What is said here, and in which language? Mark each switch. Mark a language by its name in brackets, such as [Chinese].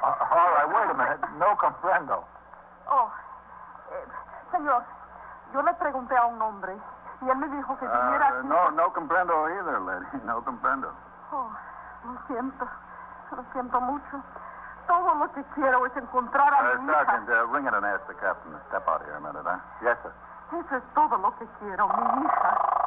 [English] All right, wait a minute. [Spanish] No comprendo. Oh, señor, yo le pregunté a un hombre, y él me dijo que viniera aquí. No comprendo [English] either, lady. [Spanish] No comprendo. Oh, lo siento mucho. Todo lo que quiero es encontrar a mi [English] Sergeant, Sergeant, ring it and ask the captain to step out here a minute, huh? Yes, sir. [Spanish] Eso es todo lo que quiero, mi hija.